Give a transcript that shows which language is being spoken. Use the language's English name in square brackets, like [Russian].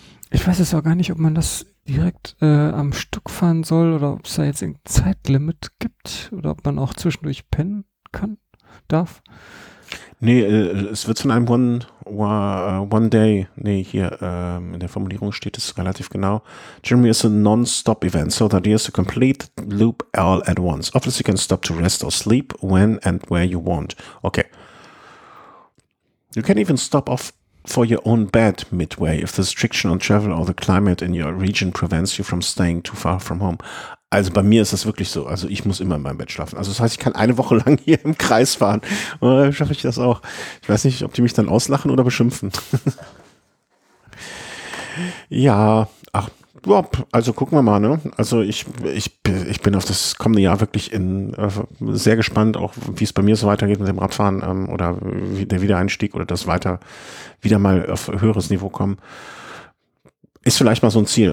[German] Ich weiß jetzt auch gar nicht, ob man das direkt am Stück fahren soll oder ob es da jetzt ein Zeitlimit gibt oder ob man auch zwischendurch pennen kann, darf. Nee, es wird von einem One Day, nee, hier in der Formulierung steht es relativ genau. [English] Jeremy is a non-stop event, so the idea is to complete loop all at once. Obviously you can stop to rest or sleep when and where you want. Okay. You can even stop off for your own bed midway if the restriction on travel or the climate in your region prevents you from staying too far from home. [German] Also bei mir ist das wirklich so. Also ich muss immer in meinem Bett schlafen. Also das heißt, ich kann eine Woche lang hier im Kreis fahren. Oder schaffe ich das auch? Ich weiß nicht, ob die mich dann auslachen oder beschimpfen. Ja, ach, also gucken wir mal, ne? Also ich bin auf das kommende Jahr wirklich sehr gespannt, auch wie es bei mir so weitergeht mit dem Radfahren oder der Wiedereinstieg oder das weiter wieder mal auf höheres Niveau kommen. Ist vielleicht mal so ein Ziel.